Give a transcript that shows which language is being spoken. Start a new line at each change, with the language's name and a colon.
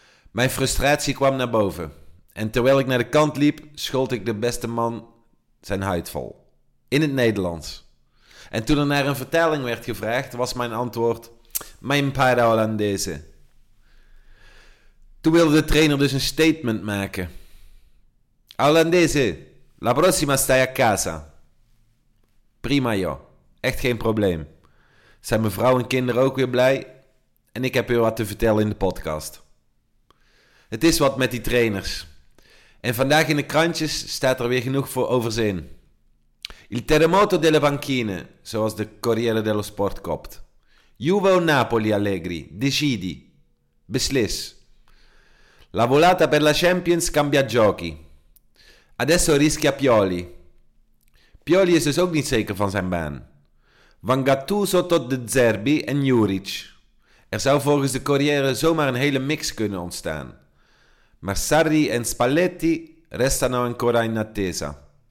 Dutch: Mijn frustratie kwam naar boven en terwijl ik naar de kant liep, schold ik de beste man zijn huid vol. In het Nederlands. En toen er naar een vertaling werd gevraagd, was mijn antwoord: mijn
Italian: para Hollandese.
Dutch: Toen wilde de trainer dus een statement maken.
Italian: Hollandese, la prossima stai a casa.
Dutch: Prima joh, echt geen probleem. Zijn mevrouw en kinderen ook weer blij? En ik heb weer wat te vertellen in de podcast. Het is wat met die trainers. En vandaag in de krantjes staat er weer genoeg voor overzien.
Italian: Il terremoto delle banchine,
Dutch: zoals de Corriere dello Sport kopt.
Italian: Juve o Napoli Allegri, decidi.
Dutch: Beslis.
Italian: La volata per la Champions cambia giochi. Adesso rischia Pioli.
Dutch: Pioli is dus ook niet zeker van zijn baan. Van Gattuso tot De Zerbi en Juric. Er zou volgens de Corriere zomaar een hele mix kunnen ontstaan. Maar
Italian: Sarri en Spalletti restano ancora in attesa.